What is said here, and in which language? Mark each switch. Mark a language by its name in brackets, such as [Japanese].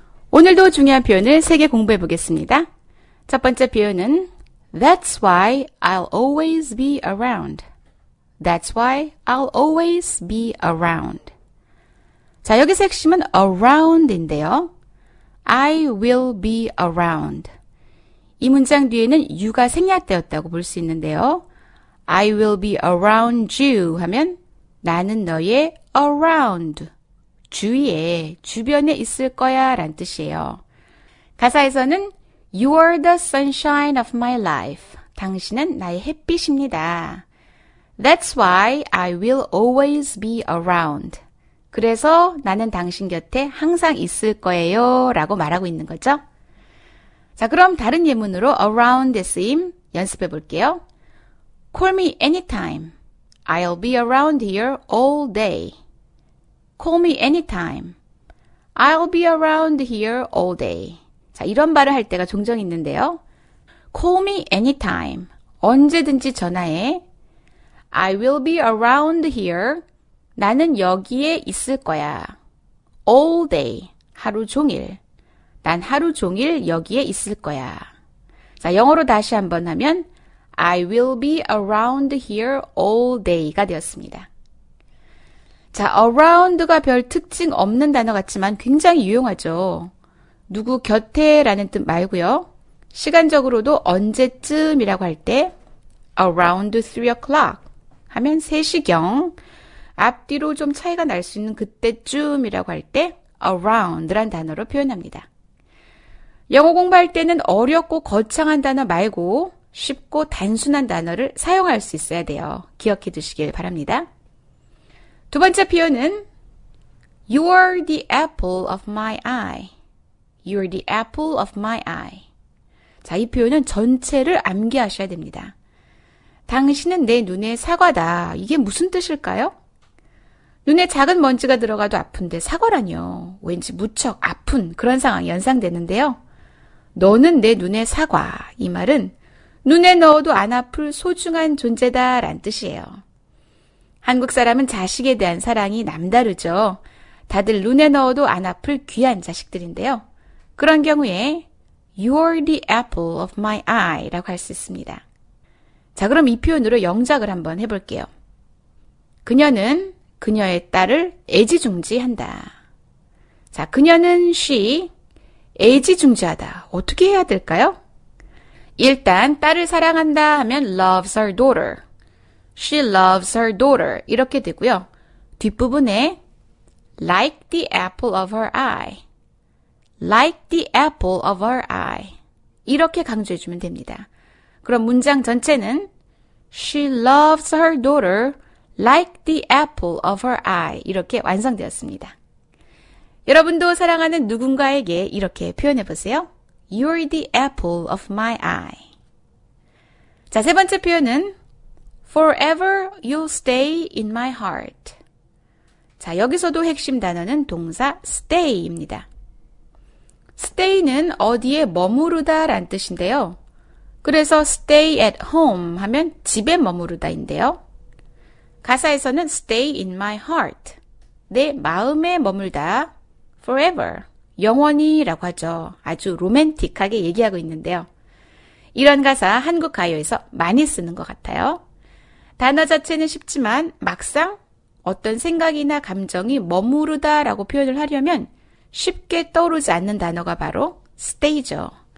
[Korean] 오늘도 중요한 표현을 3개 공부해 보겠습니다. 첫 번째 표현은 [English] That's why I'll always be around. That's why I'll always be around. [Korean] 자, 여기서 핵심은 around인데요. [English] I will be around. [Korean] 이 문장 뒤에는 you가 생략되었다고 볼 수 있는데요. [English] I will be around you [Korean] 하면 나는 너의 around, 주위에, 주변에 있을 거야 라는 뜻이에요. 가사에서는 [English] You are the sunshine of my life. [Korean] 당신은 나의 햇빛입니다. [English] That's why I will always be around. [Korean] 그래서 나는 당신 곁에 항상 있을 거예요 라고 말하고 있는 거죠. 자, 그럼 다른 예문으로 around의 쓰임 연습해 볼게요. [English] Call me anytime. I'll be around here all day. Call me anytime. I'll be around here all day. [Korean] 자, 이런 말을 할 때가 종종 있는데요. [English] Call me anytime. [Korean] 언제든지 전화해. [English] I will be around here. [Korean] 나는 여기에 있을 거야. [English] All day. [Korean] 하루 종일. 난 하루 종일 여기에 있을 거야. 자, 영어로 다시 한번 하면 [English] I will be around here all day [Korean] 가 되었습니다. 자, around가 별 특징 없는 단어 같지만 굉장히 유용하죠. 누구 곁에 라는 뜻 말고요. 시간적으로도 언제쯤이라고 할 때 [English] around 3 o'clock. [Korean] 하면 3시경, 앞뒤로 좀 차이가 날 수 있는 그때쯤이라고 할 때 around란 단어로 표현합니다. 영어 공부할 때는 어렵고 거창한 단어 말고 쉽고 단순한 단어를 사용할 수 있어야 돼요. 기억해 두시길 바랍니다. 두 번째 표현은 [English] You're the apple of my eye. You're the apple of my eye. [Korean] 자, 이 표현은 전체를 암기하셔야 됩니다. 당신은 내 눈의 사과다. 이게 무슨 뜻일까요? 눈에 작은 먼지가 들어가도 아픈데 사과라뇨. 왠지 무척 아픈 그런 상황이 연상되는데요. 너는 내 눈의 사과. 이 말은 눈에 넣어도 안 아플 소중한 존재다 라는 뜻이에요. 한국 사람은 자식에 대한 사랑이 남다르죠. 다들 눈에 넣어도 안 아플 귀한 자식들인데요. 그런 경우에 [English] You're the apple of my eye [Korean] 라고 할 수 있습니다. 자, 그럼 이 표현으로 영작을 한번 해볼게요. 그녀는 그녀의 딸을 애지중지한다. 자, 그녀는 she 애지중지하다. 어떻게 해야 될까요? 일단 딸을 사랑한다 하면 [English] loves her daughter. She loves her daughter [Korean] 이렇게 되고요. 뒷부분에 [English] like the apple of her eye, like the apple of her eye [Korean] 이렇게 강조해주면 됩니다. 그럼 문장 전체는 [English] She loves her daughter like the apple of her eye [Korean] 이렇게 완성되었습니다. 여러분도 사랑하는 누군가에게 이렇게 표현해보세요. [English] You're the apple of my eye. [Korean] 자, 세 번째 표현은 [English] Forever you'll stay in my heart. [Korean] 자, 여기서도 핵심 단어는 동사 stay입니다. stay는 어디에 머무르다 라는 뜻인데요. 그래서 stay at home 하면 집에 머무르다인데요. 가사에서는 [English] stay in my heart. [Korean] 내 마음에 머물다. forever. 영원히 라고 하죠. 아주 로맨틱하게 얘기하고 있는데요. 이런 가사 한국 가요에서 많이 쓰는 것 같아요. 단어 자체는 쉽지만 막상 어떤 생각이나 감정이 머무르다 라고 표현을 하려면 쉽게 떠오르지 않는 단어가 바로 stay죠.